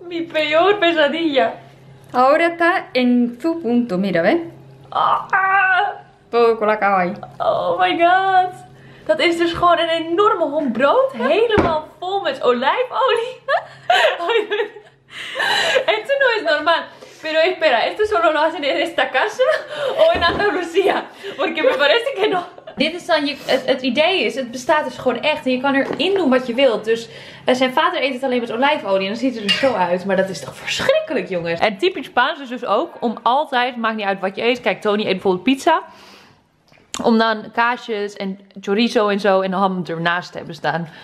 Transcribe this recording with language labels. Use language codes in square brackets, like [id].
[es] Mi peor pesadilla. Ahora está en su punto. Mira, ve. Ah. Todo colocado ahí. [en] Oh my god. [nl] Dat is dus gewoon een enorme hond brood. Helemaal vol met olijfolie. [es] Esto no es normal. Pero espera, ¿esto solo lo hacen en esta casa o en Andalucía? Porque me parece que no. [nl] Dit is dan, het idee is, het bestaat dus gewoon echt. En je kan erin doen wat je wilt. Dus zijn vader eet het alleen met olijfolie. En dan ziet het er zo uit. Maar dat is toch verschrikkelijk, jongens. En typisch Spaans is dus ook om altijd, maakt niet uit wat je eet. Kijk, Tony eet bijvoorbeeld pizza. Om dan kaasjes en chorizo en zo en ham ernaast te hebben staan.